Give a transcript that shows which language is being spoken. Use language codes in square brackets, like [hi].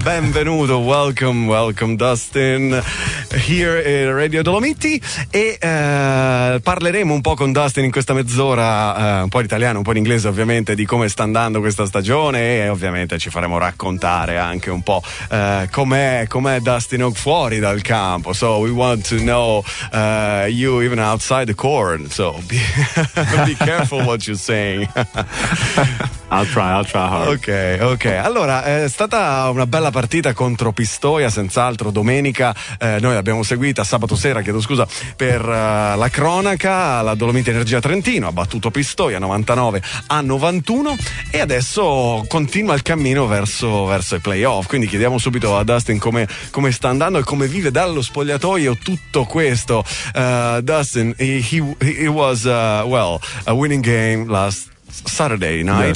[it] Benvenuto, [en] welcome Dustin here at Radio Dolomiti. [it] E parleremo un po' con Dustin in questa mezz'ora, un po' in italiano, un po' in inglese ovviamente, di come sta andando questa stagione, e ovviamente ci faremo raccontare anche un po' com'è Dustin Hogue fuori dal campo. [en] So we want to know you even outside the court, so be careful what you're saying. I'll try hard. [it] Ok, allora è stata una bella partita contro Pistoia, senz'altro domenica, noi l'abbiamo seguita sabato sera, chiedo scusa, per la cronaca. La Dolomiti Energia Trentino ha battuto Pistoia 99-91 e adesso continua il cammino verso i playoff, quindi chiediamo subito a Dustin come sta andando e come vive dallo spogliatoio tutto questo. [en] Dustin, he was a winning game last Saturday night.